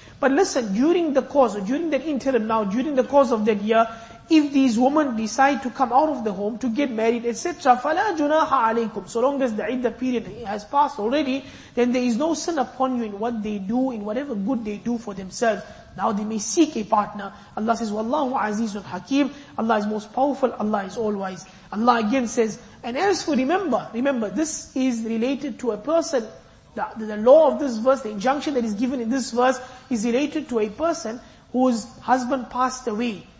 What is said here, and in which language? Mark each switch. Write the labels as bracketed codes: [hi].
[en] But listen, during the course, or during that interim now, during the course of that year, if these women decide to come out of the home to get married, etc., [ar] فَلَا جُنَاحَ عَلَيْكُمْ. [en] So long as the iddah period has passed already, then there is no sin upon you in what they do, in whatever good they do for themselves. Now they may seek a partner. Allah says, [ar] وَاللَّهُ عَزِيزٌ حَكِيمٌ. [en] Allah is most powerful, Allah is all wise. Allah again says, and as for remember, this is related to a person. The law of this verse, the injunction that is given in this verse, is related to a person whose husband passed away.